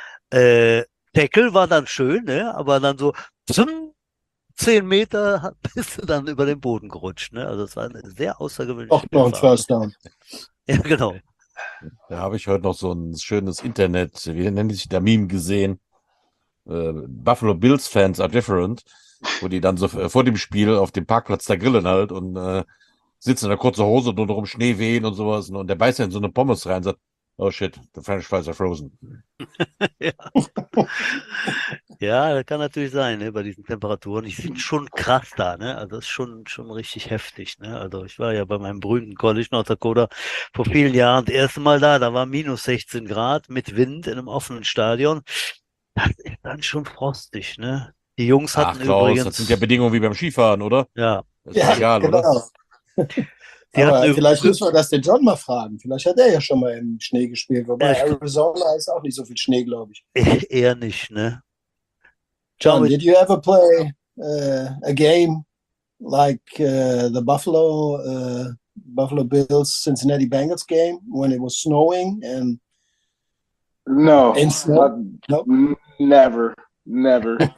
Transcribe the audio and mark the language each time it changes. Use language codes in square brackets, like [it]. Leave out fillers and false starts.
[de] Deckel war dann schön, ne? Aber dann so 10 Meter bist du dann über den Boden gerutscht. Ne? Also es war eine sehr außergewöhnliche Erfahrung. Auch noch ein First Down. Ja, genau. Da habe ich heute noch so ein schönes Internet, wie nennt sich der Meme, gesehen. [en] Buffalo Bills Fans are different. [de] Wo die dann so vor dem Spiel auf dem Parkplatz da grillen halt und sitzen in einer kurzen Hose und nur noch um Schnee wehen und sowas. Und der beißt ja in so eine Pommes rein und sagt, [en] oh shit, the French fries are frozen. [de] Ja. Ja, das kann natürlich sein, ne, bei diesen Temperaturen. Die sind schon krass da, ne? Also das ist schon richtig heftig, ne? Also ich war ja bei meinem berühmten College North Dakota vor vielen Jahren das erste Mal da. Da war minus 16 Grad mit Wind in einem offenen Stadion. Das ist dann schon frostig, ne? Die Jungs hatten Klaus, übrigens. Das sind ja Bedingungen wie beim Skifahren, oder? Ja. Das ist ja egal, genau. Oder? Aber vielleicht müssen wir das den John mal fragen. Vielleicht hat er ja schon mal im Schnee gespielt. Wobei Arizona ist auch nicht so viel Schnee, glaube ich. Eher nicht, ne? [en] John, did you ever play a game like the Buffalo Bills Cincinnati Bengals game when it was snowing? And no. In snow? Never. Never.